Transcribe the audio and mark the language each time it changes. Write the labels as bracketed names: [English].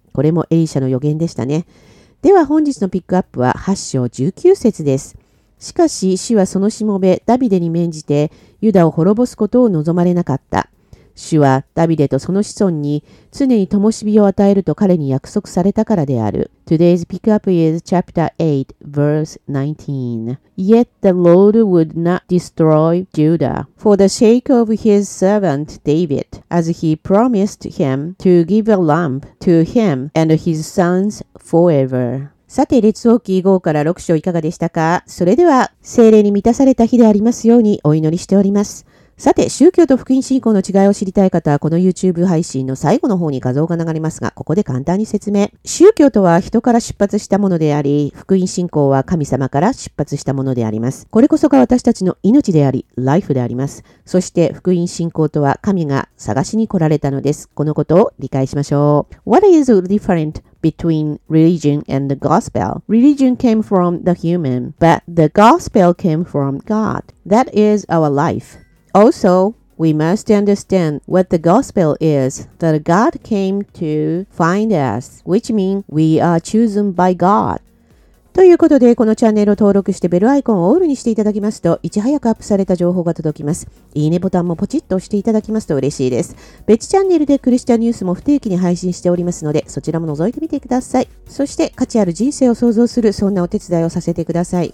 [Japanese] これもエリシャの預言でしたね。では本日のピックアップは8章19節です。しかし、主はそのしもべ、ダビデに免じて、ユダを滅ぼすことを望まれなかった。主は、ダビデとその子孫に、常に灯火を与えると彼に約束されたからである。 [English] Today's pickup is chapter 8, verse 19. Yet the Lord would not destroy Judah for the sake of his servant David, as he promised him to give a lamp to him and his sons forever. [Japanese] さて、列王記5から6章いかがでしたか？それでは、聖霊に満たされた日でありますようにお祈りしております。さて、宗教と福音信仰の違いを知りたい方は、この YouTube 配信の最後の方に画像が流れますが、ここで簡単に説明。宗教とは人から出発したものであり、福音信仰は神様から出発したものであります。これこそが私たちの命であり、ライフであります。そして、福音信仰とは神が探しに来られたのです。このことを理解しましょう。 [English] What is different? Between religion and the gospel. Religion came from the human, but the gospel came from God. That is our life. Also, we must understand what the gospel is, that God came to find us, which means we are chosen by God. [Japanese] ということで、このチャンネルを登録してベルアイコンをオールにしていただきますと、いち早くアップされた情報が届きます。いいねボタンもポチッと押していただきますと嬉しいです。別チャンネルでクリスチャンニュースも不定期に配信しておりますので、そちらも覗いてみてください。そして、価値ある人生を創造する、そんなお手伝いをさせてください。